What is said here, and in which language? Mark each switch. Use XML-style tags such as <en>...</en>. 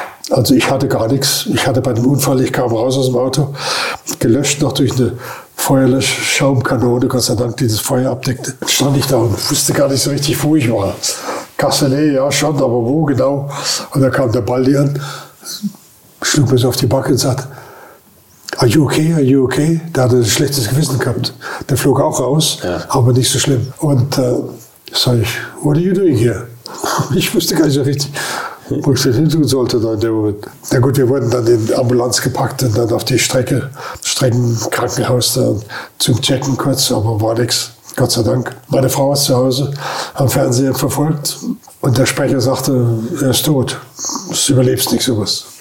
<de>Also ich hatte gar nichts. Ich hatte bei dem Unfall, ich kam raus aus dem Auto, gelöscht noch durch eine Feuerlöschschaumkanone, Gott sei Dank, die das Feuer abdeckte. Dann stand ich da und wusste gar nicht so richtig, wo ich war. Kasselet, ja schon, aber wo genau? Und da kam der Baldi an, schlug mir so auf die Backe und sagte,</de> <en>are you okay, are you okay?</en> <de>Der hatte ein schlechtes Gewissen gehabt. Der flog auch raus, ja. Aber nicht so schlimm. Und sag ich,</de> <en>what are you doing here?</en> <de>Ich wusste gar nicht so richtig, wo ich das hin tun sollte da in dem Moment. Na gut, wir wurden dann in Ambulanz gepackt und dann auf die Strecke, Streckenkrankenhaus dann zum Checken kurz, aber war nichts, Gott sei Dank. Meine Frau war zu Hause, am Fernseher verfolgt und der Sprecher sagte, er ist tot, du überlebst nicht sowas.</de>